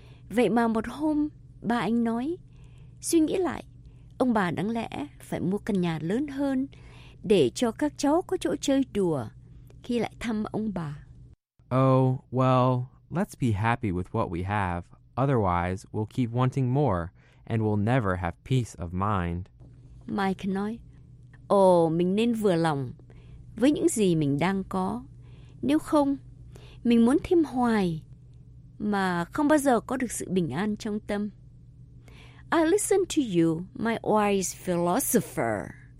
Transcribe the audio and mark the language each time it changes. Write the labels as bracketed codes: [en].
[vi] Vậy mà một hôm, bà anh nói, suy nghĩ lại, ông bà đáng lẽ phải mua căn nhà lớn hơn để cho các cháu có chỗ chơi đùa khi lại thăm ông bà. [en] Oh, well, let's be happy with what we have. Otherwise, we'll keep wanting more and we'll never have peace of mind. [vi] Mike nói, ồ, mình nên vừa lòng với những gì mình đang có. Nếu không, mình muốn thêm hoài mà không bao giờ có được sự bình an trong tâm. [en] I listen to you, my wise philosopher.